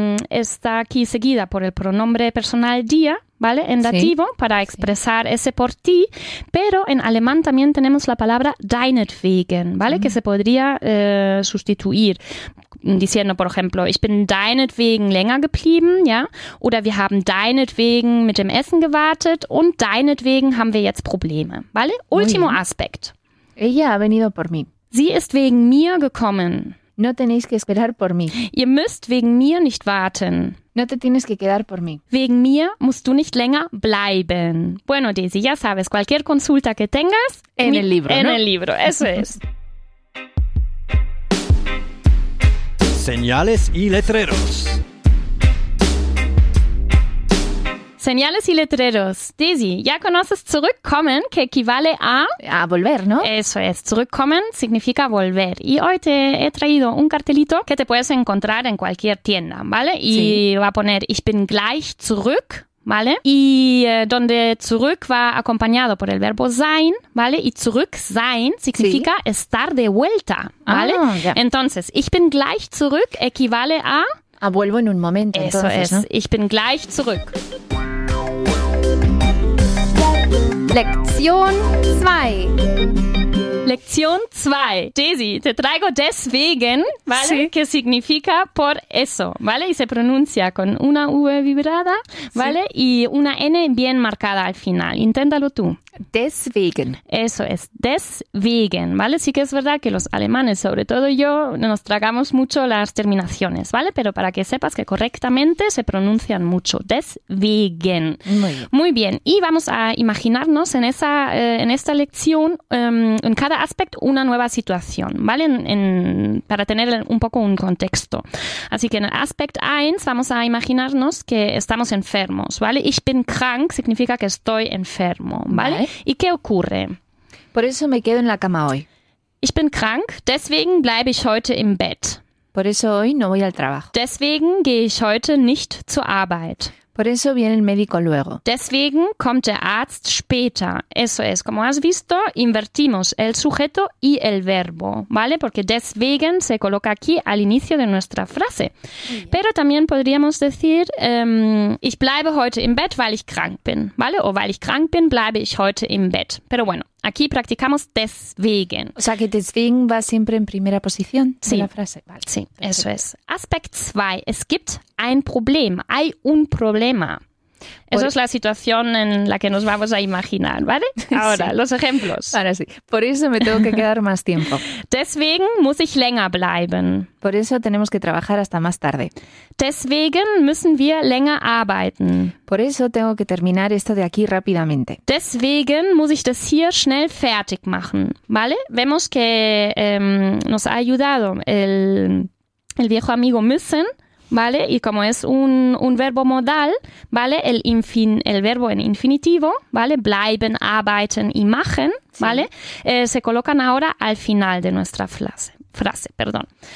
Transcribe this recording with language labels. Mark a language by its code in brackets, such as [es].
[es] Está aquí seguida por el pronombre personal dir, ¿vale? En dativo, sí, para expresar ese por ti. Pero en alemán también tenemos la palabra deinetwegen, ¿vale? Mm. Que se podría sustituir diciendo, por ejemplo, [de] ich bin deinetwegen länger geblieben, [es] ¿ya? [de] Oder wir haben deinetwegen mit dem Essen gewartet und deinetwegen haben wir jetzt Probleme, ¿vale? [es] Muy último bien. Aspect. Ella ha venido por mí. [de] Sie ist wegen mir gekommen. [es] No tenéis que esperar por mí. [de] Ihr müsst wegen mir nicht warten. [es] No te tienes que quedar por mí. [de] Wegen mir musst du nicht länger bleiben. [es] Bueno, Daisy, ya sabes, cualquier consulta que tengas... En el libro, en ¿no? En el libro, eso es. señales y letreros. Señales y letreros. Daisy, ¿ya conoces zurückkommen, que equivale a? A volver, ¿no? Eso es. Zurückkommen significa volver. Y hoy te he traído un cartelito que te puedes encontrar en cualquier tienda, ¿vale? Y sí, va a poner, [de] ich bin gleich zurück, [es] ¿vale? Y donde zurück va acompañado por el verbo sein, ¿vale? Y [de] zurück sein [es] significa sí, estar de vuelta, ¿vale? [en] Ah, yeah. [es] Entonces, [de] ich bin gleich zurück [es] equivale a? A vuelvo en un momento. Eso entonces, es. ¿No? [de] Ich bin gleich zurück. [es] Lección 2. Lección 2. Daisy, te traigo deswegen, ¿vale? Sí. Que significa por eso, ¿vale? Y se pronuncia con una V vibrada, ¿vale? Sí. Y una N bien marcada al final. Inténtalo tú. Deswegen. Eso es, deswegen, ¿vale? Sí que es verdad que los alemanes, sobre todo yo, nos tragamos mucho las terminaciones, ¿vale? Pero para que sepas que correctamente se pronuncian mucho, deswegen. Muy bien. Muy bien. Y vamos a imaginarnos en esa, en esta lección, en cada aspecto, una nueva situación, ¿vale? Para tener un poco un contexto. Así que en el aspect 1 vamos a imaginarnos que estamos enfermos, ¿vale? [de] Ich bin krank [es] significa que estoy enfermo, ¿vale? ¿Y qué ocurre? Por eso me quedo en la cama hoy. [de] Ich bin krank, deswegen bleibe ich heute im Bett. [es] Por eso hoy no voy al trabajo. [de] Deswegen gehe ich heute nicht zur Arbeit. [es] Por eso viene el médico luego. [de] Deswegen kommt der Arzt später. [es] Eso es. Como has visto, invertimos el sujeto y el verbo, ¿vale? Porque deswegen se coloca aquí al inicio de nuestra frase. Pero también podríamos decir, [de] ich bleibe heute im Bett, weil ich krank bin, ¿vale? O weil ich krank bin, bleibe ich heute im Bett. [es] Pero bueno, aquí practicamos deswegen. O sea, que deswegen va siempre en primera posición sí, de la frase. Vale, sí, perfecto. Eso es. Aspect 2. [de] Es gibt ein Problem. [es] Hay un problema. Esa es la situación en la que nos vamos a imaginar, ¿vale? Ahora, sí, los ejemplos. Ahora sí. Por eso me tengo que quedar más tiempo. [de] Deswegen muss ich länger bleiben. [es] Por eso tenemos que trabajar hasta más tarde. [de] Deswegen müssen wir länger arbeiten. [es] Por eso tengo que terminar esto de aquí rápidamente. [de] Deswegen muss ich das hier schnell fertig machen, ¿vale? [es] Vemos que nos ha ayudado el viejo amigo müssen, ¿vale? Y como es un verbo modal, ¿vale? El verbo en infinitivo, ¿vale? Bleiben, arbeiten y machen, ¿vale? Sí. Se colocan ahora al final de nuestra frase, perdón.